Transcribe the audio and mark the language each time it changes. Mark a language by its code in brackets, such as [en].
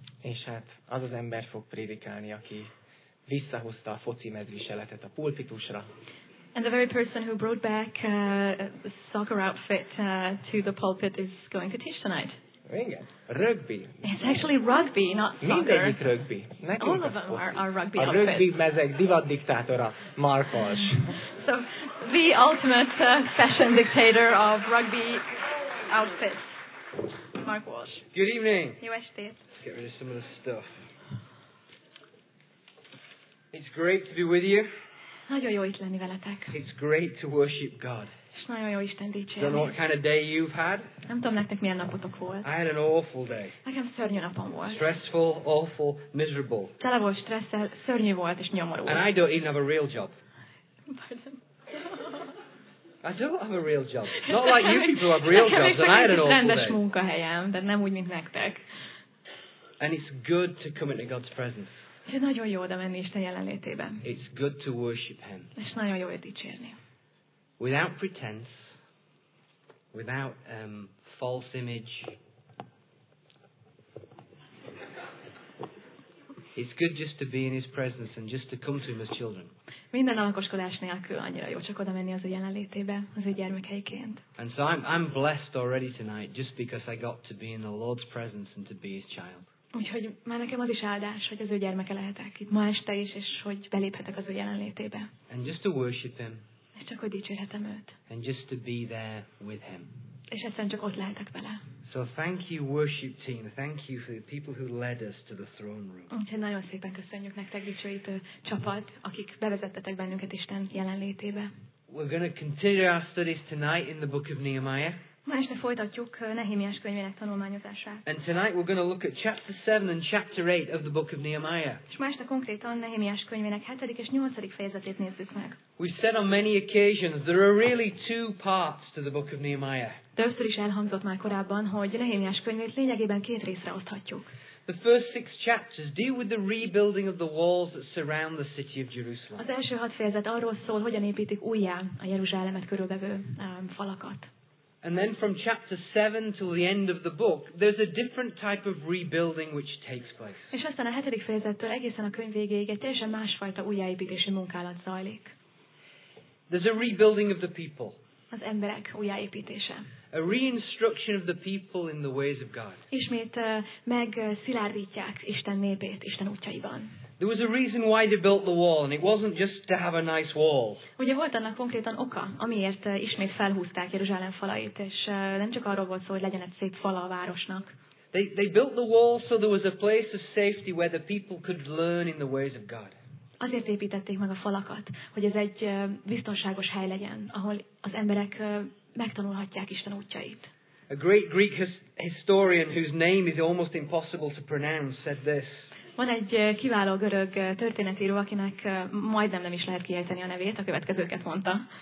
[hu] És hát az az ember fog prédikálni, aki visszahozta a foci mezviseletet a pulpitusra. [en] And the very person who brought back a soccer outfit to the pulpit is going to teach tonight. [hu] Igen, rugby. [en] It's actually rugby, not soccer. [hu] Mindegyik rugby. Nekünk [en] all of them are rugby outfits. [hu] A rugby mezeg divatdiktátora, Mark Walsh. [en] So, the ultimate fashion dictator of rugby outfits, Mark Walsh. Good evening. [hu] Jó estét. [en] Let's get rid of some of the stuff. It's great to be with you. [hu] Nagyon jó itt lenni veletek. [en] It's great to worship God. [hu] És nagyon jó Isten dicsérni. [en] Don't know what kind of day you've had. [hu] Nem tudom nektek milyen napotok volt. [en] I had an awful day. [hu] Nekem szörnyű napom volt. [en] Stressful, awful, miserable. [hu] Tele volt stresszel, szörnyű volt és nyomorult. [en] And I don't even have a real job. Pardon. I don't have a real job. Not like you people have real jobs, and I had an awful day. [hu] Rendes munkahelyem, de nem úgy, mint nektek. [en] And it's good to come into God's presence. [hu] És nagyon jó oda menni Isten jelenlétében. [en] It's good to worship Him. [hu] És nagyon jó őt dicsérni. [en] Without pretense, without false image, it's good just to be in His presence and just to come to Him as children. [hu] Minden alkoskodás nélkül annyira jó csak oda menni az ő jelenlétébe, az ő gyermekeiként. [en] And so I'm blessed already tonight just because I got to be in the Lord's presence and to be His child. [hu] Úgyhogy már nekem az is áldás, hogy az ő gyermeke lehetek itt ma este is, és hogy beléphetek az ő jelenlétébe. [en] And just to worship Him. [hu] És csak hogy dicsérhetem őt. [en] And just to be there with Him. [hu] És egyszerűen csak ott lehetek vele. [en] So thank you, worship team. Thank you for the people who led us to the throne room. [hu] Úgyhogy nagyon szépen köszönjük nektek, dicsőítő csapat, akik bevezettetek bennünket Isten jelenlétébe. [en] We're going to continue our studies tonight in the book of Nehemiah. [hu] Ma este folytatjuk Nehémiás könyvének tanulmányozását. [en] And tonight we're going to look at chapter 7 and chapter 8 of the book of Nehemiah. [hu] És ma este konkrétan Nehémiás könyvének 7. és 8. fejezetét nézzük meg. [en] We've said on many occasions there are really two parts to the book of Nehemiah. [hu] Többször is elhangzott már korábban, hogy Nehémiás könyvét lényegében két részre oszthatjuk. [en] The first 6 chapters deal with the rebuilding of the walls that surround the city of Jerusalem. [hu] Az első 6 fejezet arról szól, hogyan építik újjá a Jeruzsálemet körülvevő falakat. [en] And then from chapter 7 till the end of the book, there's a different type of rebuilding which takes place. [hu] És aztán a 7. fejezettől egészen a könyv végéig egy teljesen másfajta újjáépítési munkálat zajlik. [en] There's a rebuilding of the people. [hu] Az emberek újjáépítése. [en] A reinstruction of the people in the ways of God. [hu] Ismét megszilárdítják Isten népét Isten útjaiban. [en] There was a reason why they built the wall, and it wasn't just to have a nice wall. [hu] Ugye volt annak konkrétan oka, amiért ismét felhúzták Jeruzsálem falait, és nem csak arról volt szó, hogy legyen egy szép fala a városnak. [en] They built the wall so there was a place of safety where the people could learn in the ways of God. [hu] Azért építették meg a falakat, hogy ez egy biztonságos hely legyen, ahol az emberek megtanulhatják Isten útjait. [en] A great Greek historian whose name is almost impossible to pronounce said this. [hu] Van egy kiváló görög történetíró, akinek majdnem nem is lehet kiejteni a nevét, a következőket mondta.